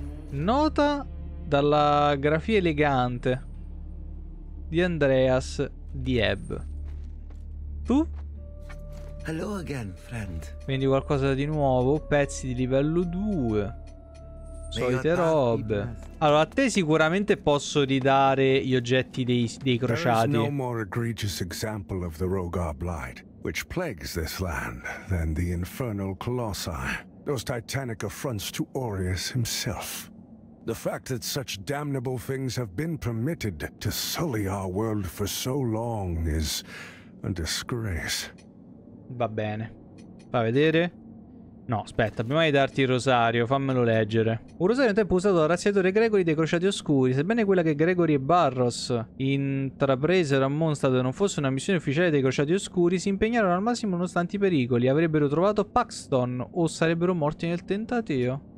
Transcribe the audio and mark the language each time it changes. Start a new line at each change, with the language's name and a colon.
Italian: Nota dalla grafia elegante di Andreas di Ebb. Tu?
English: Hello again, friend.
Italian: Vendi qualcosa di nuovo? Pezzi di livello 2. Solite robe. Allora, a te sicuramente posso ridare gli oggetti dei crociati.
English: There is no more egregious example of the Rogar Blight, which plagues this land, than the infernal colossi. Those titanic affronts to Aureus himself. The fact that such damnable things have been permitted to sully our world for so long is a disgrace.
Italian: Va bene. Fa vedere. No, aspetta, prima di darti il rosario, fammelo leggere. Un rosario un tempo usato dal razziatore Gregory dei Crociati Oscuri. Sebbene quella che Gregory e Barros intrapresero a Mondstadt non fosse una missione ufficiale dei Crociati Oscuri, si impegnarono al massimo nonostante i pericoli. Avrebbero trovato Paxton o sarebbero morti nel tentativo.